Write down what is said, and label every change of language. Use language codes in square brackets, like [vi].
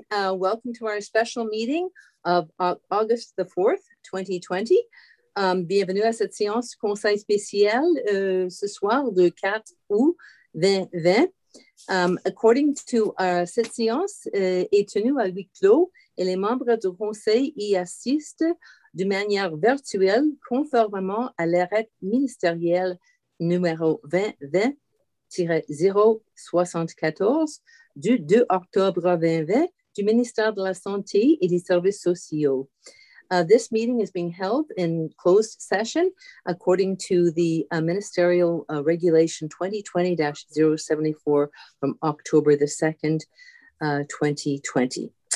[en] Welcome to our special meeting of August the 4th, 2020. [fr] Bienvenue à cette séance conseil spécial ce soir, le 4 août 2020. [en] According to [fr] cette séance est tenue à huis clos et les membres du conseil y assistent de manière virtuelle conformément à l'arrêt ministériel numéro 2020-074 du 2 octobre 2020 du ministère de la Santé et des Services sociaux. [en] This meeting is being held in closed session according to the Ministerial Regulation 2020-074 from October the 2nd, 2020.